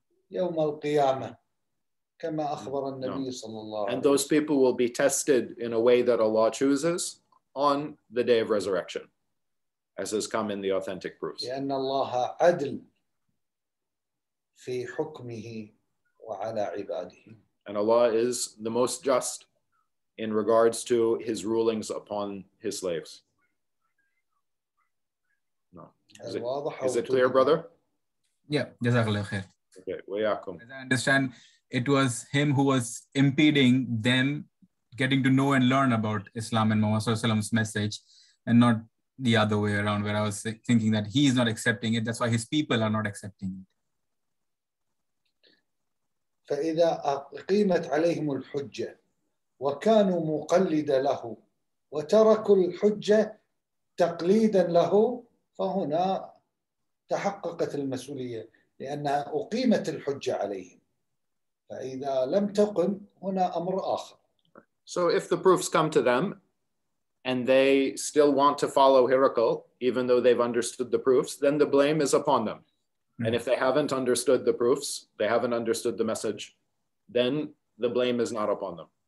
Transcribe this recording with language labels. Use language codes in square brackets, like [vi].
[ar] يوم القيامة كما أخبر النبي [en] no. [ar] صلى الله عليه وسلم. [en] And those people will be tested in a way that Allah chooses on the day of resurrection, as has come in the authentic proofs. [ar] لأن الله عدل في حكمه وعلى عباده. [en] And Allah is the most just in regards to His rulings upon His slaves. No. Is it clear, brother? Yeah. Jazakallah khair. Okay, wayakum. As I understand, it was him who was impeding them getting to know and learn about Islam and Muhammad's message, and not the other way around, where I was thinking that he is not accepting it. That's why his people are not accepting it. [ar] فَإِذَا أَقِيمَتْ عَلَيْهِمُ الْحُجَّةِ وَكَانُوا مُقَلِّدَ لَهُ وَتَرَكُوا الْحُجَّةِ تَقْلِيدًا لَهُ فَهُنَا تَحَقَّقَتْ الْمَسْئُولِيَّةِ لأنها أقيمت الحجة عليهم فإذا لم تقم هنا أمر آخر. [en] So if the proofs come to them and they still want to follow Hiracle even though they've understood the proofs, then the blame is upon them. Mm-hmm. And if they haven't understood the proofs, they haven't understood the message, then the blame is not upon them.